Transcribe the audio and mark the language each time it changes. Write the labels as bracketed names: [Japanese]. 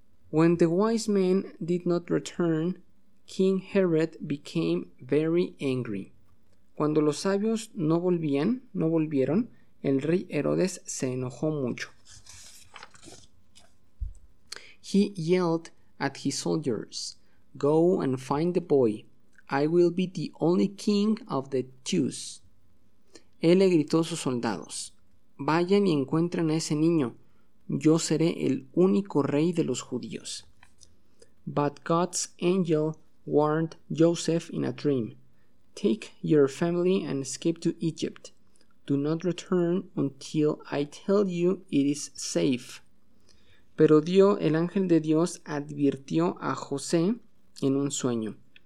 [English] When the wise men did not return, King Herod became very angry. [Spanish] Cuando los sabios no volvieron, el rey Herodes se enojó mucho. [English] He yelled at his soldiers, "Go and find the boy. I will be the only king of the Jews." [Spanish] Él le gritó a sus soldados, "Vayan y encuentren a ese niño. Yo seré el único rey de los judíos." [English] But God's angel warned Joseph in a dream, "Take your family and escape to Egypt. Do not return until I tell you it is safe." [Spanish] Pero el ángel de Dios advirtió a José en un sueño.